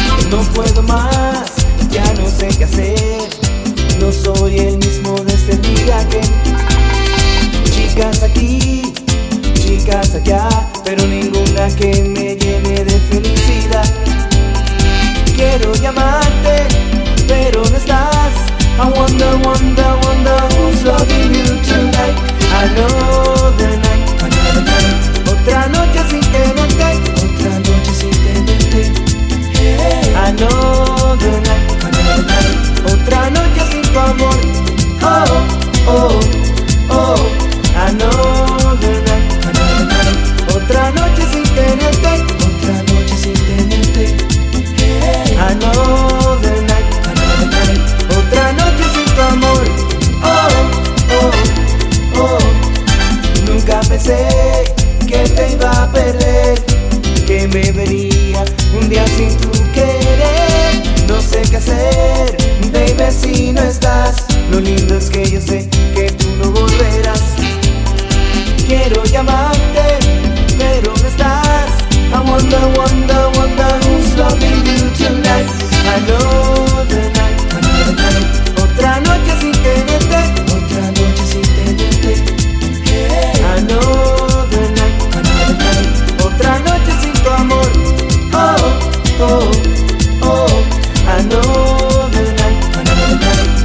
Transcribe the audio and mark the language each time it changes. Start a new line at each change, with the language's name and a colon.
Spanish: No puedo más, ya no sé qué hacer. No soy el mismo desde el día que. Chicas aquí, chicas allá, pero ninguna que me llene de felicidad. Quiero llamarte, pero no estás.
English: I wonder, wonder, wonder who's loving you tonight. Another night, another night.
Spanish: Otra noche sin tenerte, otra noche sin tenerte.
English: Another night, another night.
Spanish: Otra noche sin tu amor.
English: Oh, oh, oh, oh. Another night, another night.
Spanish: Otra noche sin tenerte, otra noche sin tenerte.
English: Another night, another night.
Spanish: Otra noche sin tu amor. Oh, oh, oh, oh. Nunca pensé que te iba a perder, que me vería un día sin tu querer. No sé qué hacer, baby, si no estás. Lo lindo es que yo sé que tú no volverás. Quiero llamarte, pero no estás.
English: I wonder, wonder, wonder who's loving you tonight. Another night, another night.
Spanish: Otra noche sin tenerte, otra noche sin tenerte.
English: Another night, another night.
Spanish: Otra noche sin tu amor.
English: Oh, oh, oh, oh. Another night, another night.